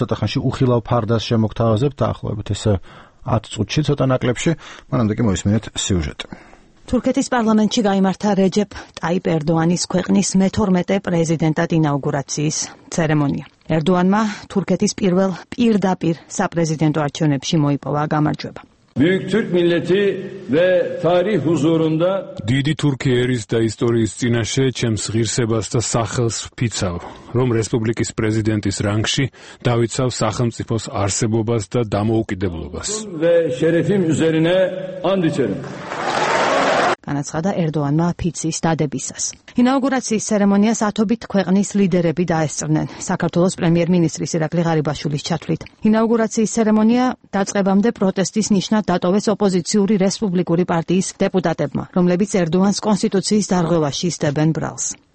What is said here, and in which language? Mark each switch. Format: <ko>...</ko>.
<ka>ცოტა ხანში უხილავ ფარდას შემოგთავაზებთ, დაახლოებით ეს 10 წუთში, ცოტა ნაკლებში. მანამდე კი მოისმენთ სიუჟეტი. თურქეთის პარლამენტში გაიმართა რეჯეპ ტაიპ ერდოანის ქვეყნის მე-12 პრეზიდენტად ინაუგურაციის ცერემონია. ერდოანმა თურქეთის პირველ პირდაპირ საპრეზიდენტო არჩევნებში მოიპოვა გამარჯვება.</ka> <tr>Büyük Türk milleti ve tarih huzurunda</tr> <ka>დიდი თურქი ერის და ისტორიის წინაშე ჩემს ღირსებას და სახელს ფიცავ, რომ რესპუბლიკის პრეზიდენტის რანგში დავიცავ სახელმწიფოს არსებობას და დამოუკიდებლობას.</ka> <tr>ve şerefim üzerine and içerim.</tr> <ka>განაცხადა ერდოანმა ფიცის დადებისას. ინაუგურაციის ცერემონიას ათობით ქვეყნის ლიდერები დაესწრნენ. საქართველოს პრემიერ-მინისტრის ირაკლი ღარიბაშვილის ჩათვლით, ინაუგურაციის ცერემონია დაწყებამდე პროტესტის ნიშნად დატოვეს ოპოზიციური რესპუბლიკური პარტიის დეპუტატებმა, რომლებიც ერდოანს კონსტიტუციის დარღვევაში ისდებენ ბრალს.</ka>